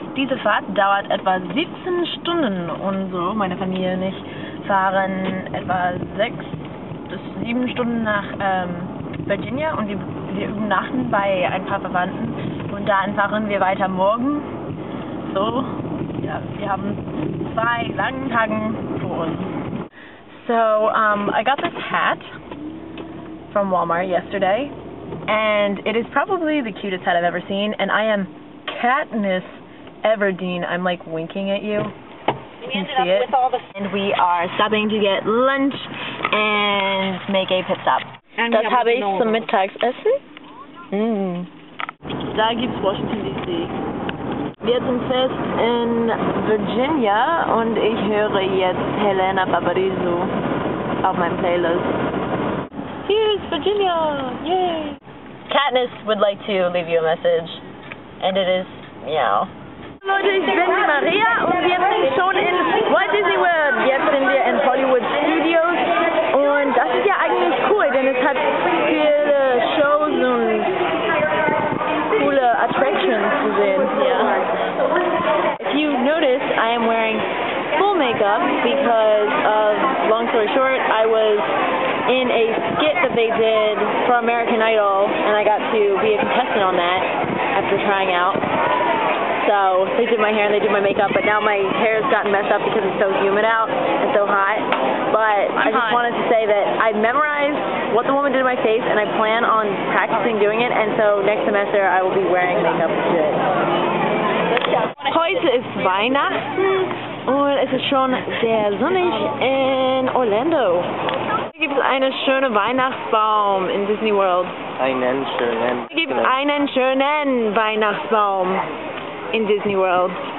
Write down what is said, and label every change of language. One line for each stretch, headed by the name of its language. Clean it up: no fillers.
German: Diese Fahrt dauert etwa 17 Stunden und so, meine Familie und ich fahren etwa 6 bis 7 Stunden nach Virginia und wir übernachten bei ein paar Verwandten und dann fahren wir weiter morgen. So, ja, wir haben 2 langen Tagen vor uns.
English: So, I got this hat from Walmart yesterday, and it is probably the cutest hat I've ever seen, and I am Katniss Everdeen. I'm like winking at you. We ended up with all the... And we are stopping to get lunch and make a pit stop. And
German: das habe ich zum Mittagessen. Da gibt's Washington D.C. Wir sind fest in Virginia und ich höre jetzt Helena Barbarizu auf meinem Playlist.
English: Here's Virginia! Yay! Katniss would like to leave you a message. And it is meow.
German: Leute, ich bin die Maria und wir sind schon in Walt Disney World. Jetzt sind wir in Hollywood Studios und das ist ja eigentlich cool, denn es hat viele Shows und coole Attractions zu sehen hier.
English: If you notice, I am wearing full makeup because of, long story short, I was in a skit that they did for American Idol and I got to be a contestant on that after trying out. So they did my hair and they did my makeup, but now my hair has gotten messed up because it's so humid out and so hot. But I'm I just hot. Wanted to say that I memorized what the woman did to my face and I plan on practicing doing it, and so next semester I will be wearing makeup to it.
German: Heute ist Weihnachten und es ist schon sehr sonnig in Orlando. Hier gibt es einen schönen Weihnachtsbaum in Disney World. Einen schönen. Hier gibt es einen schönen Weihnachtsbaum in Disney World.